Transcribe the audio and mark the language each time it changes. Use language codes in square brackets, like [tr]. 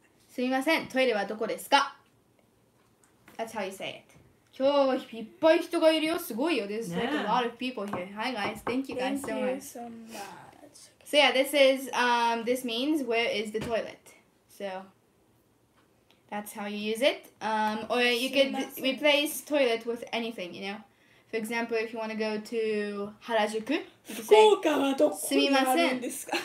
[ja] すみません、トイレはどこですか？ [en] That's how you say it. [ja] 今日いっぱい人がいるよ。すごいよ。 [en] There's like a lot of people here. Hi guys, thank you guys so much. Thank you so much. So yeah, this is, this means where is the toilet. So, that's how you use it. Or you could replace toilet with anything, you know. For example, if you want to go to Harajuku, you could say, [ja] 福岡はどこにあるんですか?